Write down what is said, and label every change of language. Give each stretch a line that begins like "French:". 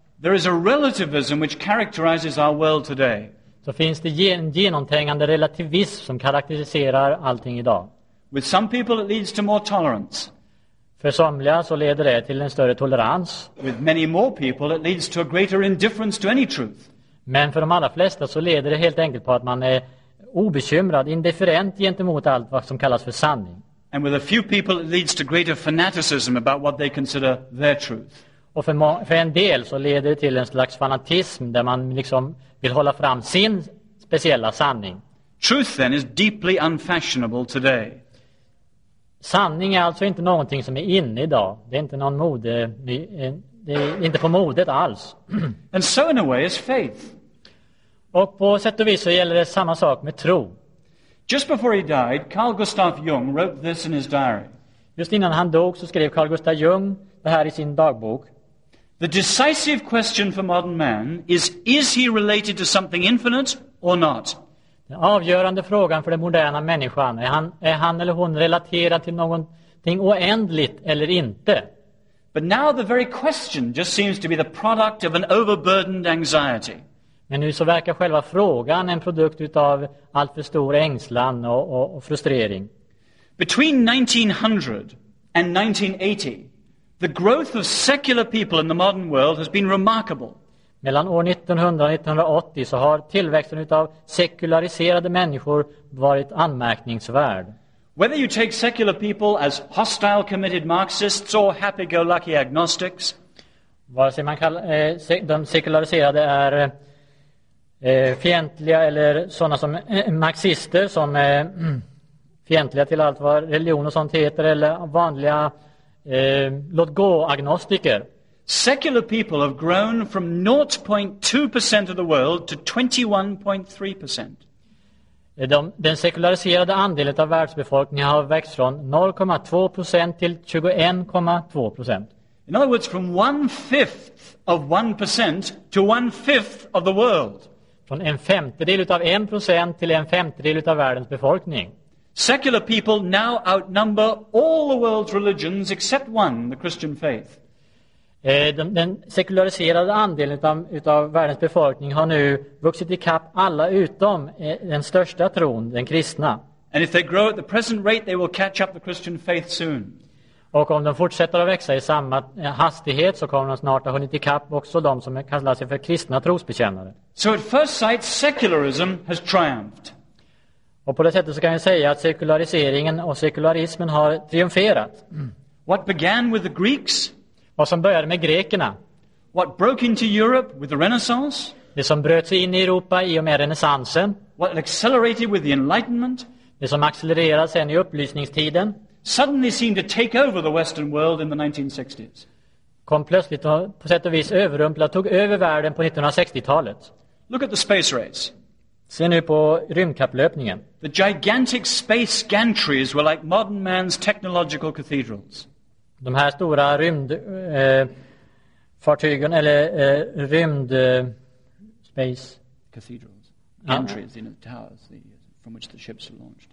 English: There is a relativism which characterizes our world today.
Swedish: Så finns det en genomträngande relativism som karakteriserar allting idag.
English: With some people it leads to more tolerance.
Swedish: För somliga så leder det till en större tolerans.
English: With many more people it leads to a greater indifference to any truth.
Swedish: Men för de allra flesta så leder det helt enkelt på att man är obekymrad, indifferent gentemot allt vad som kallas för sanning.
English: And with a few people it leads to greater fanaticism about what they consider their truth.
Swedish: Och för en del så leder det till en slags fanatism där man liksom vill hålla fram sin speciella sanning.
English: Truth then is deeply unfashionable today.
Swedish: Sanning är alltså inte någonting som är inne idag. Det är inte någon mode, det är inte på modet alls.
English: And so in a way is faith.
Swedish: Och på sätt och vis så gäller det samma sak med tro.
English: Just before he died, Carl Gustav Jung wrote this in his diary.
Swedish: Just innan han dog så skrev Carl Gustav Jung det här i sin dagbok.
English: The decisive question for modern man is he related to something infinite or not?
Swedish: Den avgörande frågan för den moderna människan är han eller hon relaterad till någonting oändligt eller inte?
English: But now the very question just seems to be the product of an overburdened anxiety.
Swedish: Men nu så verkar själva frågan en produkt utav allt för stor ängslan och frustrering.
English: Between 1900 and 1980, the growth of secular people in the modern world has been remarkable.
Swedish: Mellan år 1900 och 1980 så har tillväxten utav sekulariserade människor varit anmärkningsvärd.
English: Whether you take secular people as hostile committed Marxists or happy-go-lucky agnostics.
Swedish: Vare sig man kallar de sekulariserade är fientliga eller sådana som marxister som är fientliga till allt vad religion och sånt heter eller vanliga låt-gå-agnostiker.
English: Secular people have grown from 0.2% of the world to 21.3%.
Swedish: Den sekulariserade andelen av världsbefolkningen har växt från 0,2% till 21,2%.
English: In other words, from 1/5 of 1% to 1/5 of the world.
Swedish: Från en femtedel av 1% till en femtedel av världens befolkning.
English: Secular people now outnumber all the world's religions except one, the Christian faith.
Swedish: Den sekulariserade andelen utav världens befolkning har nu vuxit i kapp alla utom den största tron, den kristna.
English: And if they grow at the present rate, they will catch up the Christian faith soon.
Swedish: Och om de fortsätter att växa i samma hastighet så kommer de snart att ha hunnit i kapp också de som kallar sig för kristna trosbekännare.
English: So at first sight, secularism has triumphed.
Swedish: Och på det sättet så kan jag säga att sekulariseringen och sekularismen har triumferat.
English: What began with the Greeks?
Swedish: Vad som började med grekerna.
English: What broke into Europe with the Renaissance?
Swedish: Det som bröt sig in i Europa i och med renässansen.
English: What accelerated with the Enlightenment?
Swedish: Det som accelererade sen i upplysningstiden.
English: Suddenly seemed to take over the Western world in the 1960s.
Swedish: Kom plötsligt och på sätt och vis överrumplade, tog över världen på 1960-talet.
English: Look at the space race.
Swedish: Se nu på rymdkapplöpningen.
English: The gigantic space gantries were like modern man's technological cathedrals.
Swedish: De här stora rymdfartygen eller rymd space
English: cathedrals gantries in the towers from which the ships were launched.